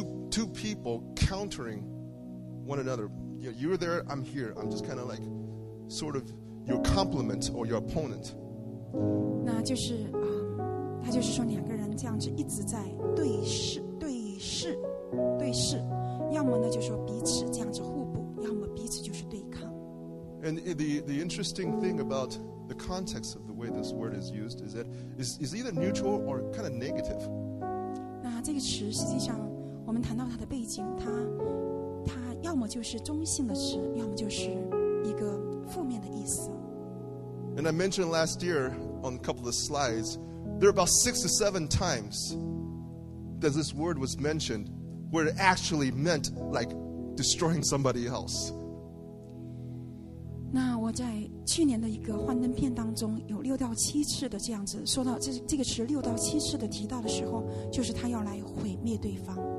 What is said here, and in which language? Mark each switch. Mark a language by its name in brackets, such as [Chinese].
[English] Two people countering one another. You know, you're there, I'm here. I'm just kind of like sort of your complement or your opponent. [Chinese] 那就是他就是说两个人这样子一直在对视，要么呢就说彼此这样子互补，要么彼此就是对抗。 [English] And the interesting thing about the context of the way this word is used is that is either neutral or kind of negative. [Chinese] 那这个词实际上。我们谈到它的背景，它要么就是中性的词，要么就是一个负面的意思。 [English] And I mentioned last year on a couple of slides, there are about 6 to 7 times that this word was mentioned, where it actually meant like destroying somebody else. [Chinese] 那我在去年的一个幻灯片当中，有6到7次的这样子说到这个词6到7次的提到的时候，就是他要来毁灭对方。